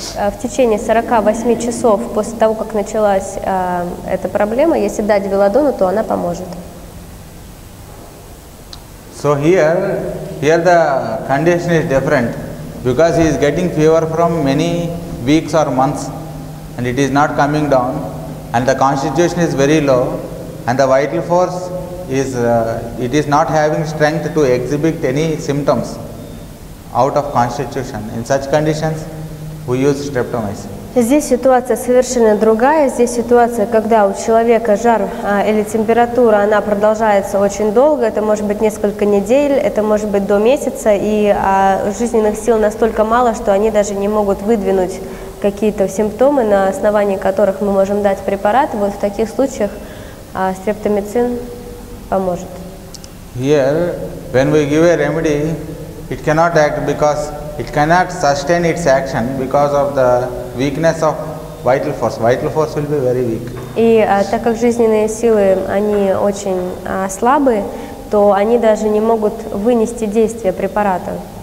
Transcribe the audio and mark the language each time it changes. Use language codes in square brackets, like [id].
[ru] В течение 48 часов после того, как началась эта проблема, если дать Белладонну, то она поможет. [en] So here the condition is different, because he is getting fever from many weeks or months, and it is not coming down, and the constitution is very low, and the vital force is it is not having strength to exhibit any symptoms out of constitution. In such conditions we use streptomycin. [ru] Здесь ситуация совершенно другая. Здесь ситуация, когда у человека жар или температура, она продолжается очень долго, это может быть несколько недель, это может быть до месяца, и жизненных сил настолько мало, что они даже не могут выдвинуть какие-то симптомы, на основании которых мы можем дать препарат. Вот в таких случаях стрептомицин поможет. [en] Here, when we give a remedy, it cannot act because it cannot sustain its action because of the weakness of vital force. Vital force will be very weak. [ru] И так как жизненные силы, они очень слабы, то они даже не могут вынести действие препарата.